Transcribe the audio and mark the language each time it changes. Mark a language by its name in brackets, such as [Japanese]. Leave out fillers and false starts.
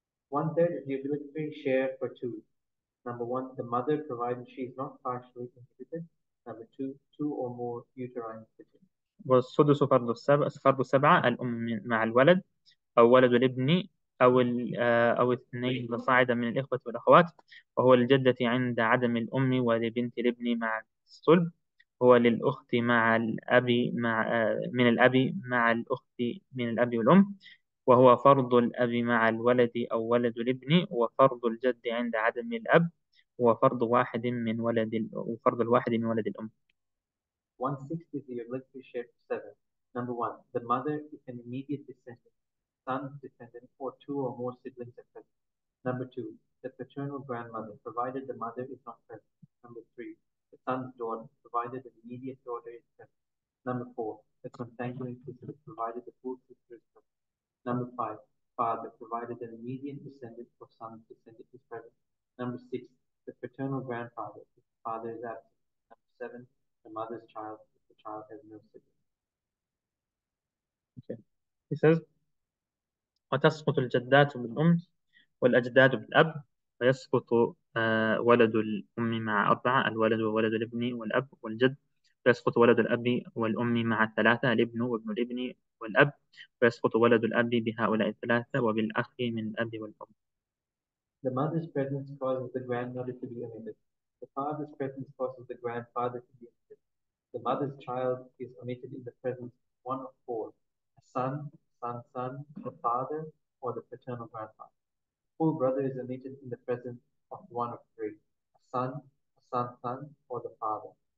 [English] One-third is the obligatory share for two. Number one, the mother, provided she is not partially inhibited. Number two, two or more uterine siblings. [Arabic] والسدس فرض السبعة الأم مع الولد أو ولد الابن أو اثنين صاعدا من الإخوة والأخوات وهو للجدة عند عدم الأم ولبنت الابن مع الصلب هو للأخت مع الأب مع من الأب مع الأخت من الأب والأم وهو فرض الأب مع الولد أو ولد الابن وفرض الجد عند عدم الأب وفرض واحد من ولد وفرض الواحد من ولد الأم. [English] 1/6 is the obligatory share for 7. Number 1, the mother is an immediate descendant, son's descendant, or two or more siblings are present. Number 2, the paternal grandmother, provided the mother is not present. Number 3, the son's daughter, provided an immediate daughter is present. Number 4, the consanguine sister, provided the full sister is present. Number 5, father, provided an immediate descendant or son's descendant is present. Number 6, the paternal grandfather, if the father is absent. Number 7, the mother's child, if the child has no siblings. He says, [Arabic] وتسقط الجدات بالأم والأجداد بالأب ويسقط ولد الأم مع أربعة الولد وولد الابن والأب والجد ويسقط ولد الأب والأم مع الثلاثة الابن وابن الابن والأب ويسقط ولد الأب بهؤلاء الثلاثة وبالأخ من الأب والأم. [English] The mother's presence causes the grandmother to be omitted. The father's presence causes the grandfather to be omitted. The mother's child is omitted in the presence of one of four, a son, son's son, the father, or the paternal grandfather. The full brother is omitted in the presence of one of three, a son's son, or the father.